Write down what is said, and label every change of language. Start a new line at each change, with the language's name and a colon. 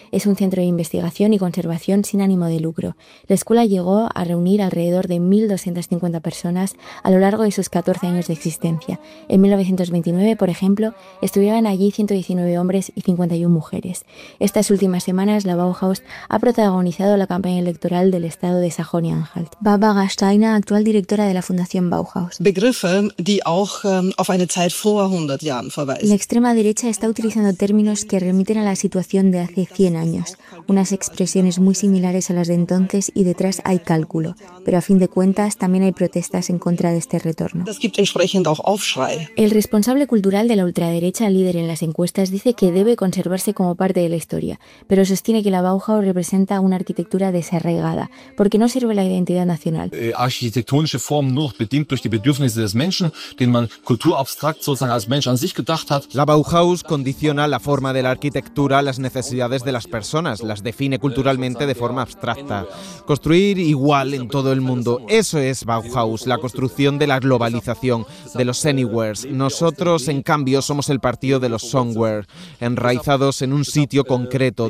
Spanish: Es un centro de investigación y conservación sin ánimo de lucro. La escuela llegó a reunir alrededor de 1.250 personas a lo largo de sus 14 años de existencia. En 1929, por ejemplo, estudiaban allí 119 hombres y 51 mujeres. Estas últimas semanas semanas, la Bauhaus ha protagonizado la campaña electoral del estado de Sajonia-Anhalt. Barbara Steiner, actual directora de la Fundación Bauhaus.
German: Begriffe, die auch auf eine Zeit vor 100 Jahren verweisen.
Spanish: La extrema derecha está utilizando términos que remiten a la situación de hace 100 años, unas expresiones muy similares a las de entonces, y detrás hay cálculo. Pero a fin de cuentas, también hay protestas en contra de este retorno.
German: Das gibt entsprechend auch Aufschrei.
Spanish: El responsable cultural de la ultraderecha, líder en las encuestas, dice que debe conservarse como parte de la historia, pero sostiene que la Bauhaus representa una arquitectura desarraigada, porque no sirve la identidad nacional.
German: Architektonische Formen nur bedingt durch die Bedürfnisse des Menschen, den man kulturabstrakt sozusagen als Mensch an sich gedacht hat.
Spanish: La Bauhaus condiciona la forma de la arquitectura a las necesidades de las personas, las define culturalmente de forma abstracta. Construir igual en todo el mundo, eso es Bauhaus, la construcción de la globalización, de los anywheres. Nosotros, en cambio, somos el partido de los somewhere, enraizados en un sitio concreto.